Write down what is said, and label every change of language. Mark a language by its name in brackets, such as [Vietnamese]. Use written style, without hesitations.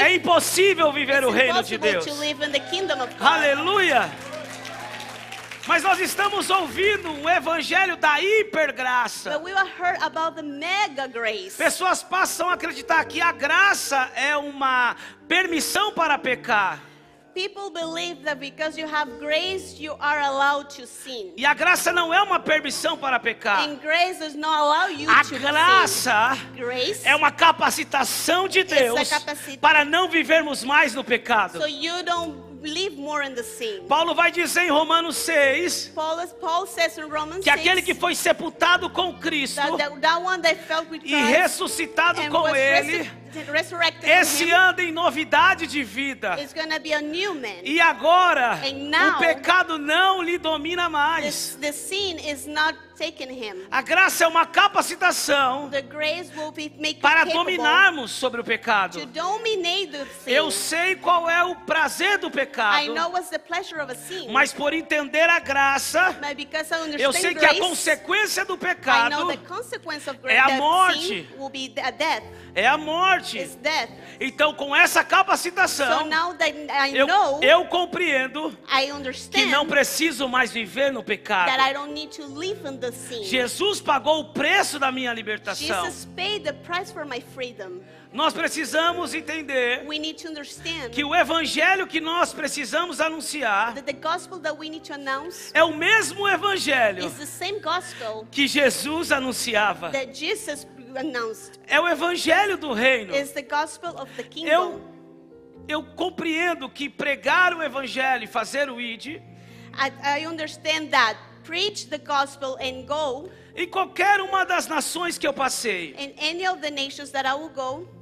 [Portuguese] é impossível viver o reino de Deus. Aleluia! Mas nós estamos ouvindo o evangelho da hipergraça. [English] But we heard about the mega grace. [Portuguese] Pessoas passam a acreditar que a graça é uma permissão para pecar. [English] People believe that because you have grace, you are allowed to sin. [Portuguese] E a graça não é uma permissão para pecar. [English] And grace does not allow you a to sin. [Portuguese] A graça é uma capacitação de Deus para não vivermos mais no pecado. [English] So you don't live more in the sin. [Portuguese] Paulo vai dizer em Romanos 6, [English] Paul says in Romans 6 [Portuguese] que aquele que foi sepultado com Cristo e ressuscitado com ele esse anda em novidade de vida. [English] It's gonna be a new man. [Portuguese] E agora [English] now, [Portuguese] o pecado não lhe domina mais. [English] The sin is not taking him. [Portuguese] A graça é uma capacitação [English] the grace will be make [Portuguese] para dominarmos sobre o pecado. [English] To dominate the sin. [Portuguese] Eu sei qual é o prazer do pecado. [English] I know what's the pleasure of a sin. [Portuguese] Mas por entender a graça [English] but because I understand [Portuguese] eu sei [English] grace, [Portuguese] que a consequência do pecado [English] I know the consequence of [Portuguese] é a morte. [English] Sin will be a death. [Portuguese] É a morte. [English] It's death. [Portuguese] Então com essa capacitação [English] so now that I know, [Portuguese] eu compreendo [English] I understand [Portuguese] que não preciso mais viver no pecado. [English] That I don't need to live in the sin. [Portuguese] Jesus pagou o preço da minha libertação. [English] Jesus paid the price for my freedom. [Portuguese] Nós precisamos entender [English] we need to understand [Portuguese] que o evangelho que nós precisamos anunciar [English] that the gospel that we need to announce [Portuguese] é o mesmo evangelho [English] is the same gospel [Portuguese] que Jesus anunciava. [English] That Jesus [Portuguese] é o evangelho do reino. [English] Is the gospel of the kingdom. [Portuguese] Eu compreendo que pregar o evangelho e fazer o ide. [English] I understand that preach the gospel and go. [Portuguese] Em qualquer uma das nações que eu passei. [English] In any of the nations that I will go.